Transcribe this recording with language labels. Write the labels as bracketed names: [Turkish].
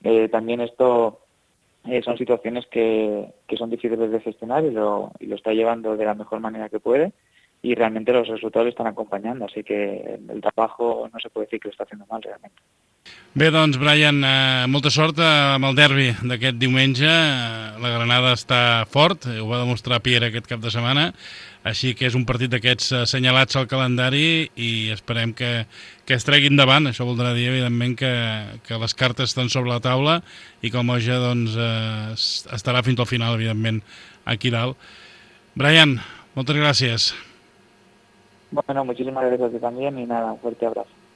[Spanish] También esto son situaciones que son difíciles de gestionar y lo está llevando de la mejor manera que puede y realmente los resultados lo están acompañando, así que el trabajo no se puede decir que lo está haciendo mal realmente. [Catalan] Bé, doncs, Brian, molta sort amb el derbi d'aquest diumenge. La Granada està fort, ho va demostrar Piera aquest cap de setmana, així que és un partit d'aquests assenyalats al calendari i esperem que es tregui endavant. Això voldrà dir, evidentment, que les cartes estan sobre la taula i que el Moja doncs, estarà fins al final, evidentment, aquí dalt. Brian, moltes gràcies. [Spanish] Bueno, muchísimas gracias a ti también y nada, un fuerte abrazo.